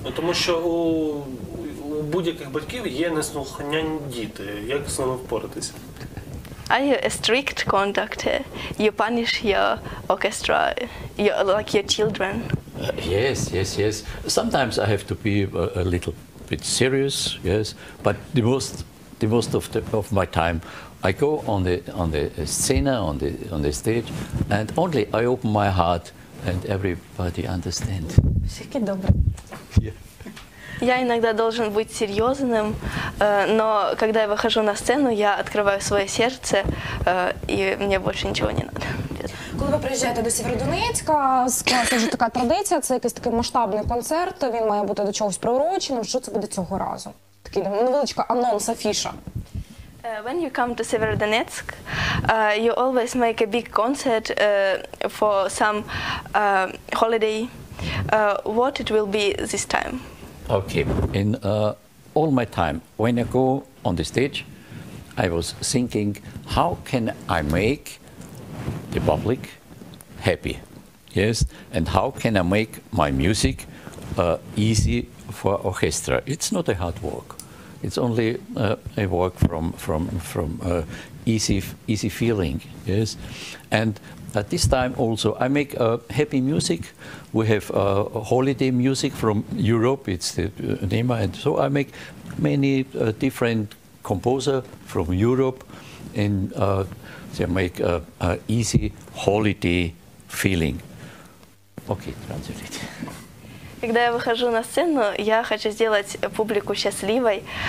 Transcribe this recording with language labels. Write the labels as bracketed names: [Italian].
[Ukrainian] Ну, тому що у будь-яких батьків є неслухання діти. Як з ними впоратися? [English] Are you a strict conductor? You punish your orchestra, your, like your children? Yes. Sometimes I have to be a little bit serious, yes, but the most of my time I go on the scene, on the stage, and only I open my heart and everybody understands. [Ukrainian] Всякі добре. [Russian] Я иногда должен быть серьезным, но когда я выхожу на сцену, я открываю свое сердце, и мне больше ничего не надо. [Ukrainian] Коли ви приїжджаєте до Сєвєродонецька, це вже така традиція, це якийсь такий масштабний концерт, він має бути до чогось приуроченим. Що це буде цього разу? Такий невеличка анонс, афіша. [English] When you come to Severodonetsk, you always make a big concert for some holiday. What it will be this time? Okay, in all my time, when I go on the stage, I was thinking, how can I make the public happy? Yes, and how can I make my music easy for orchestra? It's not a hard work. It's only a work from easy feeling, yes. And at this time also, I make happy music. We have holiday music from Europe. It's the name, and so I make many different composer from Europe, and they make a easy holiday feeling. Okay, translate. [Russian] Когда я выхожу на сцену, я хочу сделать публику счастливой.